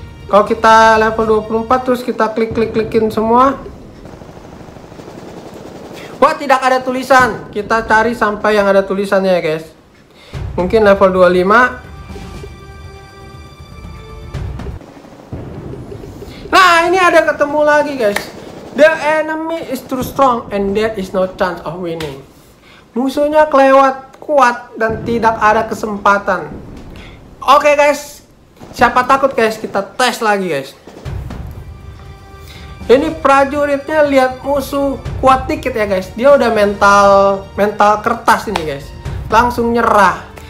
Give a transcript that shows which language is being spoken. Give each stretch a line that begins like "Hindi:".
Indonesian: Kalau kita level 24 terus kita klik-klik-klikin semua. Wah, tidak ada tulisan. Kita cari sampai yang ada tulisannya ya guys. Mungkin level 25. Ini ada ketemu lagi guys.
English: The enemy is too strong and there is no chance of winning.
Indonesian: Musuhnya kelewat kuat dan tidak ada kesempatan. Oke guys, siapa takut guys, kita tes lagi guys. Ini prajuritnya lihat musuh kuat dikit ya guys, dia udah mental kertas ini guys, langsung nyerah.